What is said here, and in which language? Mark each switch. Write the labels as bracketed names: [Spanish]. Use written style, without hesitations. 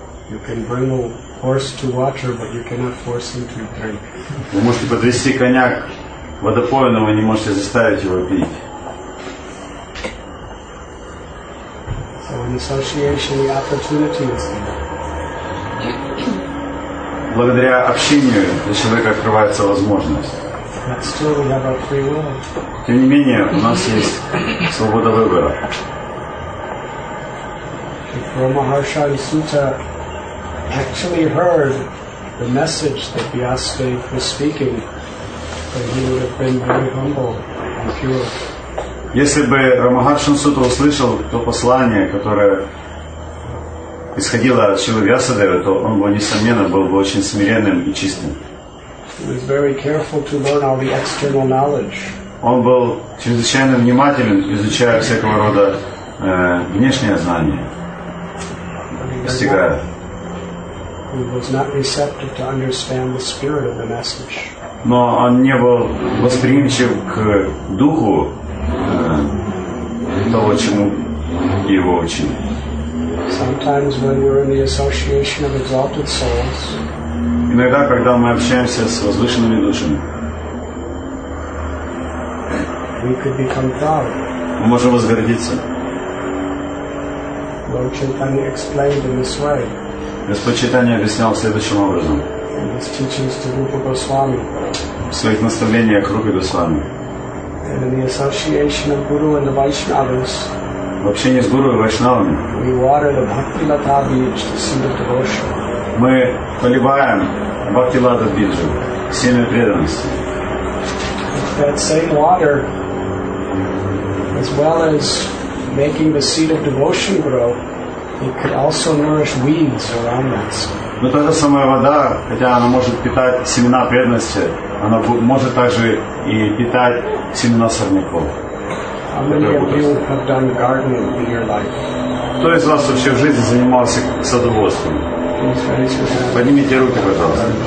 [English] You can bring a horse to water, but you cannot force him to drink. [Russian] Вы можете подвести коня к водопою, но вы не можете заставить его пить. [English] So in association, the opportunity is there. [Russian] Благодаря общению для человека открывается возможность. [English] But still, we have our free will. [Russian] Тем не менее, у нас есть свобода выбора. [English] If Ramaharshan Sutta actually heard the message that Vyasadeva was speaking, then he would have been very humble and pure. [Russian] Если бы Рамахаршан Сутра услышал то послание, которое исходило от Шрилы Вьясадевы, то он бы, несомненно, был бы очень смиренным и чистым. [English] He was very careful to learn all the external knowledge. [Russian] он был чрезвычайно внимателен, изучая всякого рода внешние знания, постигая. [English] He was not receptive to understand the spirit of the message. [Russian] Но он не был восприимчив к духу того, чему его учили. [English] Sometimes when we're in the association of exalted souls, [Russian] иногда, когда мы общаемся с возвышенными душами, [English] we could become proud. [Russian] Мы можем возгордиться. [English] Lord Chaitanya explained in this way. [Russian] Господь Чайтанья объяснял следующим образом. [English] In his teachings to Rupa Goswami. [Russian] В своих наставлениях Рупе Госвами. [English] And in the association of Guru and the Vaishnavas. [Russian] В общении с Гуру и Вайшнавами. [English] We water the Bhakti Lata Bij, the seed of devotion. [Russian] Мы поливаем Бхакти Лата Биджу, семя преданности. [English] That same water, as well as making the seed of devotion grow, it could also nourish weeds around us. [Russian] Но та же самая вода, хотя она может питать семена преданности, она может также и питать семена сорняков. [English] How many of you have done gardening in your life? [Russian] Кто из вас вообще в жизни занимался садоводством? Поднимите руки, пожалуйста.